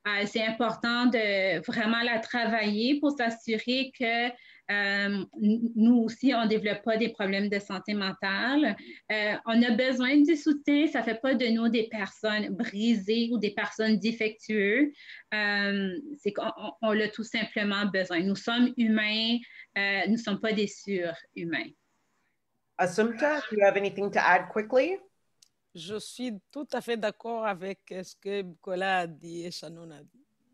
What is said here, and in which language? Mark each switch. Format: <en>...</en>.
<fr>C'est important de vraiment la travailler pour s'assurer que nous aussi, on ne développe pas des problèmes de santé mentale. On a besoin du soutien, ça ne fait pas de nous des personnes brisées ou des personnes défectueuses. C'est qu'on l'a tout simplement besoin. Nous sommes humains, nous ne sommes pas des surhumains.</fr> <en>Assumpta, do you have anything to add quickly?</en> <fr>Je suis tout à fait d'accord avec ce que Bukola a dit et Shannon a dit.</fr>